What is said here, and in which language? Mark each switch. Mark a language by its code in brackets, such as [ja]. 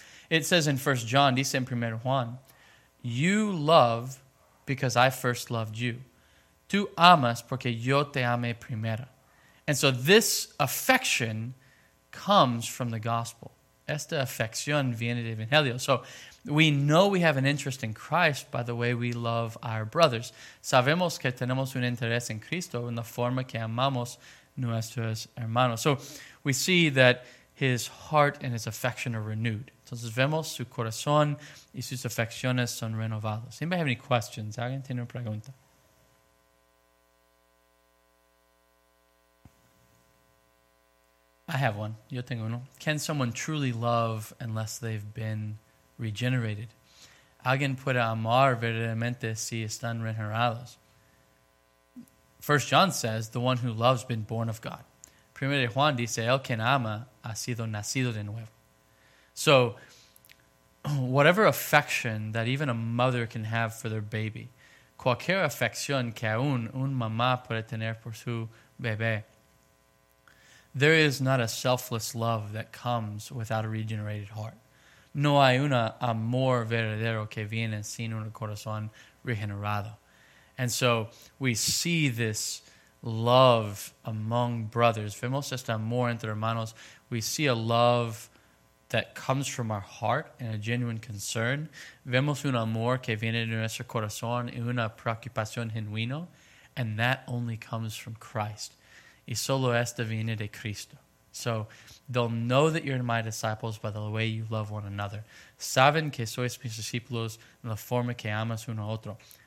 [en] It says in 1 John, [es] dice en 1 Juan, [en] you love because I first loved you. [es] Tú amas porque yo te amé primero. [en] And so this affection comes from the gospel. [es] Esta afección viene del evangelio. [en] So we know we have an interest in Christ by the way we love our brothers. [es] Sabemos que tenemos un interés en Cristo en la forma que amamos nuestros hermanos. [en] So we see that his heart and his affection are renewed. [es] Entonces vemos su corazón y sus afecciones son renovados. [en] ¿Anybody have any questions? [es] ¿Alguien tiene una pregunta? [en] I have one. [es] Yo tengo uno. [en] Can someone truly love unless they've been regenerated? [es] ¿Alguien puede amar verdaderamente si están regenerados? [en] 1 John says, the one who loves been born of God. [es] Primero de Juan dice, el que ama ha sido nacido de nuevo. [en] So, whatever affection that even a mother can have for their baby, [es] cualquier afección que aún un mamá puede tener por su bebé, [en] there is not a selfless love that comes without a regenerated heart. [es] No hay un amor verdadero que viene sin un corazón regenerado. [en] And so we see this love among brothers. [es] Vemos este amor entre hermanos. [en] We see a love that comes from our heart and a genuine concern. [es] Vemos un amor que viene de nuestro corazón y una preocupación genuino. [en] And that only comes from Christ. [es] Y solo esta viene de Cristo. [en] So they'll know that you're my disciples by the way you love one another. [es] Saben que sois mis discípulos en la forma que amas uno a otro.